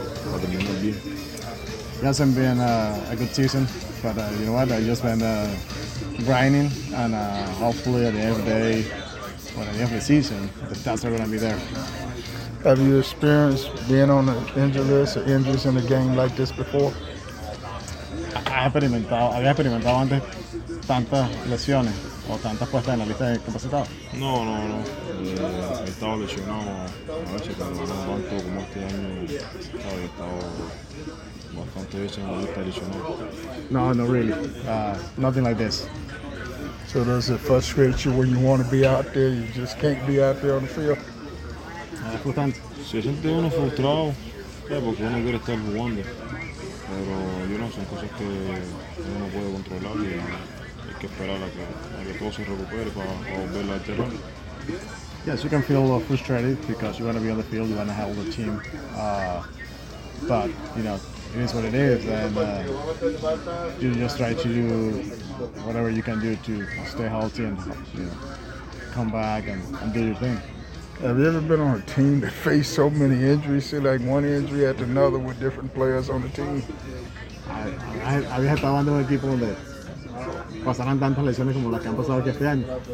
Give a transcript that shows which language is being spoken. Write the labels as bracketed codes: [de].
[en] It hasn't been a good season, but you know what? I just been grinding, and hopefully at the end of the day, at the end of the season, the stats are going to be there. Have you experienced being on an injury list or injuries in a game like this before? [es] Había experimentado antes tantas lesiones o tantas puestas en la lista de incapacitados. No. He estado lesionado a veces, pero no tanto como este año. He estado bastante veces en la lista lesionado. [en] No, really. Nothing like this. So does it frustrate you when you want to be out there, you just can't be out there on the field? [es] Frustrante. Se siente uno frustrado, porque uno quiere estar jugando. Pero yo no, son cosas que uno no puede controlar y hay que esperar a que todo se recupere para volver al terreno. [en] Yes, you can feel a little frustrated because you want to be on the field, you want to help the team. But, you know, it is what it is, and you just try to do whatever you can do to stay healthy and, you know, come back and do your thing. Have you ever been on a team that faced so many injuries, see, like one injury after another with different players on the team? [es] Había estado en un equipo donde pasaron tantas lesiones como las que han pasado este año.